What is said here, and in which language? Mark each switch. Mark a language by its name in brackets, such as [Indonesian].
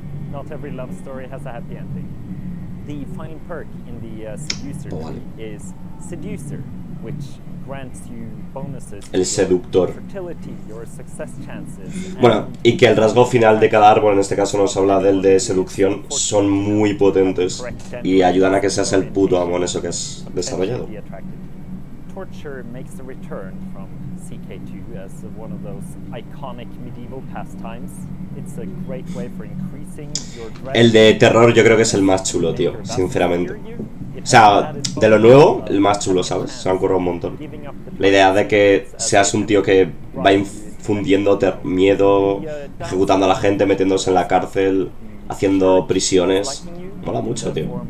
[English] Not every love story has a happy ending. The final perk in the seducer tree is seducer, which grants you bonuses. [Spanish] El seductor. [English] Fertility, your success chances. [Spanish] Bueno, y que el rasgo final de cada árbol, en este caso nos habla del de seducción, son muy potentes y ayudan a que seas el puto amo en eso que has desarrollado. [English] Torture makes a return from CK2 as one of those iconic medieval pastimes. It's a great way for increasing your dread. [Spanish] El de terror yo creo que es el más chulo, tío, sinceramente. O sea, de lo nuevo, el más chulo, ¿sabes? Se han currado un montón. La idea de que seas un tío que va infundiendo miedo, ejecutando a la gente, metiéndose en la cárcel, haciendo prisiones, mola mucho, tío.